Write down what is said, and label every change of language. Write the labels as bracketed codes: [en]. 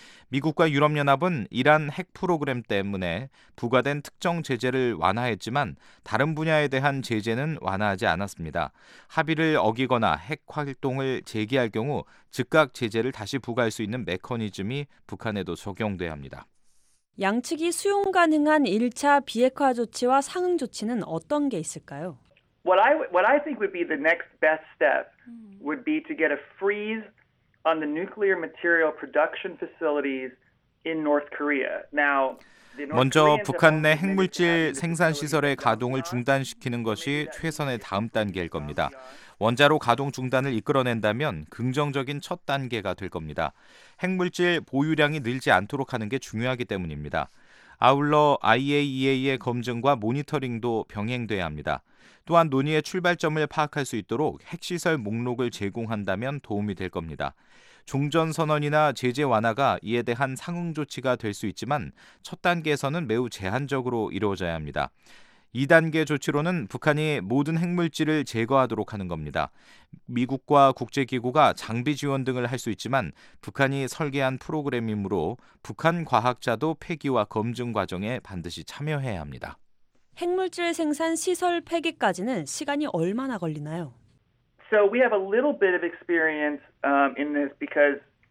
[ko] 미국과 유럽연합은 이란 핵 프로그램 때문에 부과된 특정 제재를 완화했지만 다른 분야에 대한 제재는 완화하지 않았습니다. 합의를 어기거나 핵 활동을 재개할 경우 즉각 제재를 다시 부과할 수 있는 메커니즘이 북한에도 적용돼야 합니다. 양측이 수용 가능한 1차 비핵화 조치와 상응 조치는 어떤 게 있을까요? [en] What I think would be the next best step would be to get a freeze on the nuclear material production facilities in North Korea. Now [ko] 먼저 북한 내 핵물질 생산시설의 가동을 중단시키는 것이 최선의 다음 단계일 겁니다. 원자로 가동 중단을 이끌어낸다면 긍정적인 첫 단계가 될 겁니다. 핵물질 보유량이 늘지 않도록 하는 게 중요하기 때문입니다. 아울러 IAEA의 검증과 모니터링도 병행돼야 합니다. 또한 논의의 출발점을 파악할 수 있도록 핵시설 목록을 제공한다면 도움이 될 겁니다. 종전선언이나 제재 완화가 이에 대한 상응 조치가 될 수 있지만 첫 단계에서는 매우 제한적으로 이루어져야 합니다. 2단계 조치로는 북한이 모든 핵물질을 제거하도록 하는 겁니다. 미국과 국제기구가 장비 지원 등을 할 수 있지만 북한이 설계한 프로그램이므로 북한 과학자도 폐기와 검증 과정에 반드시 참여해야 합니다. 핵물질 생산 시설 폐기까지는 시간이 얼마나 걸리나요? [en] So we have a little bit of experience in this because